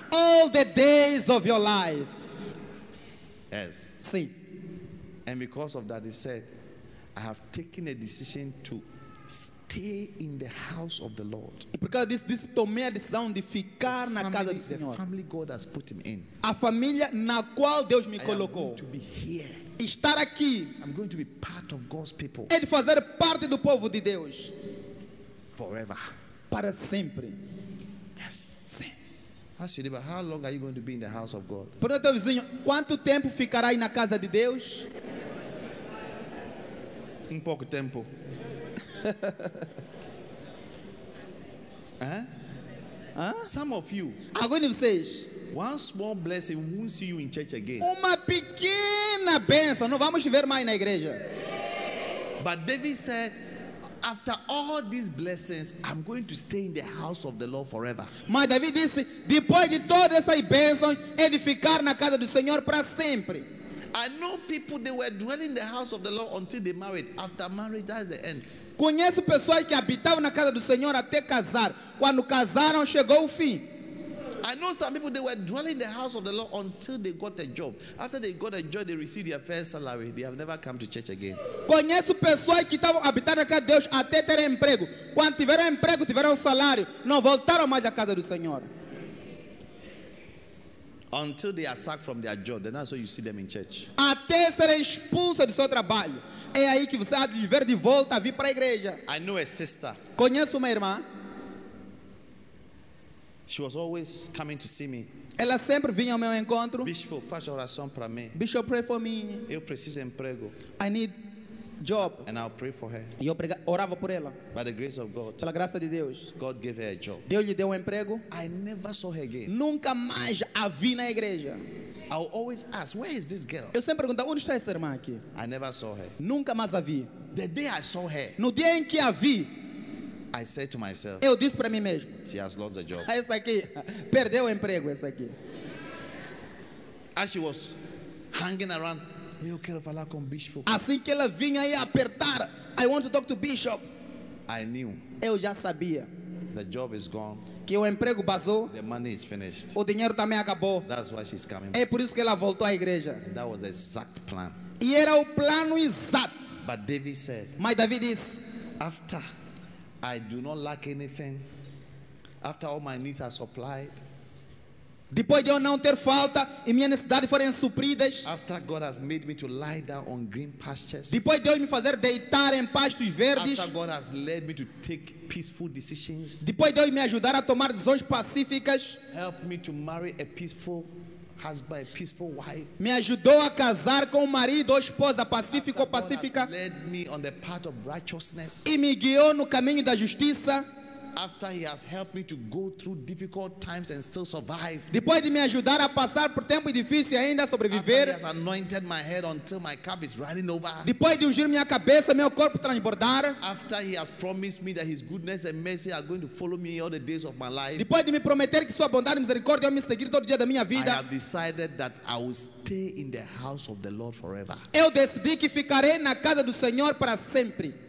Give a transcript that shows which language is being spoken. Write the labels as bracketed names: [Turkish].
[English] All the days of your life. Yes. [Portuguese] Sim. [English] And because of that, he said. I have taken a decision to stay in the house of the Lord. Because this [Portuguese] tomei a decisão de ficar na casa do Senhor. [English] The family God has put him in. [Portuguese] A família na qual Deus me colocou. [English] I am going to be here. [Portuguese] Estar aqui. [English] I'm going to be part of God's people. [Portuguese] É de fazer parte do povo de Deus. [English] Forever. [Portuguese] Para sempre. [English] Yes. [Portuguese] Sim. [English] Ask your neighbor, how long are you going to be in the house of God? [Portuguese] Pergunta ao vizinho, quanto tempo ficará aí na casa de Deus? Pouco tempo. [English] Some of you. [Portuguese] Alguns de vocês. [English] One small blessing, we won't see you in church again. [Portuguese] Uma pequena bênção, não vamos te ver mais na igreja. [English] But David said, after all these blessings, I'm going to stay in the house of the Lord forever. [Portuguese] Mas David disse, depois de todas essas bênçãos, é de ficar na casa do Senhor para sempre. [English] I know people, they were dwelling in the house of the Lord until they married. After marriage, that's the end. [Portuguese] Conheço pessoas que habitavam na casa do Senhor até casar. Quando casaram, chegou o fim. [English] I know some people, they were dwelling in the house of the Lord until they got a job. After they got a job, they received their first salary. They have never come to church again. [Portuguese] Conheço pessoas que estavam habitando na casa de Deus até terem emprego. Quando tiveram emprego, tiveram salário. Não voltaram mais à casa do Senhor. [English] Until they are sacked from their job, then that's why you see them in church. [Portuguese] Até serem expulsos do seu trabalho, é aí que você há de viver de volta a vir para a igreja. [English] I know a sister. [Portuguese] Conheço uma irmã. [English] She was always coming to see me. [Portuguese] Ela sempre vinha ao meu encontro. Bishop, faça oração para mim. [English] Bishop, pray for me. [Portuguese] Eu preciso emprego. [English] I need job. And I'll pray for her. [Portuguese] E eu orava por ela. [English] By the grace of God. [Portuguese] Pela graça de Deus. [English] God gave her a job. [Portuguese] Deus lhe deu emprego. [English] I never saw her again. [Portuguese] Nunca mais a vi na igreja. [English] I'll always ask, where is this girl? [Portuguese] Eu sempre pergunto, onde está essa irmã aqui? [English] I never saw her. [Portuguese] Nunca mais a vi. [English] The day I saw her. [Portuguese] No dia em que a vi. [English] I said to myself. [Portuguese] Eu disse para mim mesmo. [English] She has lost the job. [Portuguese] Essa aqui perdeu o emprego, essa aqui. [English] As she was hanging around. [Portuguese] Eu quero falar com o bispo. Assim que ela vinha aí apertar, [English] I want to talk to bishop. I knew. [Portuguese] Eu já sabia. [English] The job is gone. [Portuguese] Que o emprego vazou. [English] The money is finished. [Portuguese] O dinheiro também acabou. [English] That's why she's coming. [Portuguese] É por isso que ela voltou à igreja. [English] And that was the exact plan. [Portuguese] E era o plano exato. [English] But David said. My David is. After I do not lack anything. After all my needs are supplied. [Portuguese] Depois de eu não ter falta e minha necessidade forem supridas. [English] After God has made me to lie down on green pastures. [Portuguese] Depois de Deus me fazer deitar em pastos verdes. [English] After God has led me to take peaceful decisions. [Portuguese] Depois de Deus me ajudar a tomar decisões pacíficas. [English] Help me to marry a peaceful husband, a peaceful wife. [Portuguese] Me ajudou a casar com um marido ou esposa pacífico ou pacífica. [English] After God has led me on the path of righteousness. [Portuguese] E me guiou no caminho da justiça. [English] After he has helped me to go through difficult times and still survive. [Portuguese] Depois de me ajudar a passar por tempo difícil e ainda sobreviver. [English] After he has anointed my head until my cup is running over. [Portuguese] Depois de ungir minha cabeça, meu corpo transbordar. [English] After he has promised me that his goodness and mercy are going to follow me all the days of my life. [Portuguese] Depois de me prometer que sua bondade e misericórdia vão me seguir todo dia da minha vida. [English] I have decided that I will stay in the house of the Lord forever. [Portuguese] Eu decidi que ficarei na casa do Senhor para sempre.